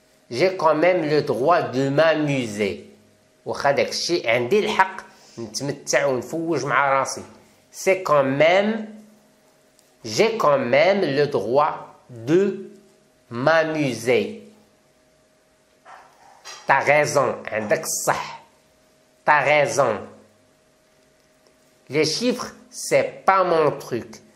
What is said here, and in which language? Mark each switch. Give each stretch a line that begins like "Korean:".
French: J'ai quand même le droit de m'amuser.
Arabic: وخدك شيء عندي الحق نتمتع ونفوج مع راسي.
French: C'est quand même, j'ai quand même le droit de m'amuser. T'as raison,
Arabic: عندك الصح.
French: T'as raison. Les chiffres, c'est pas mon truc.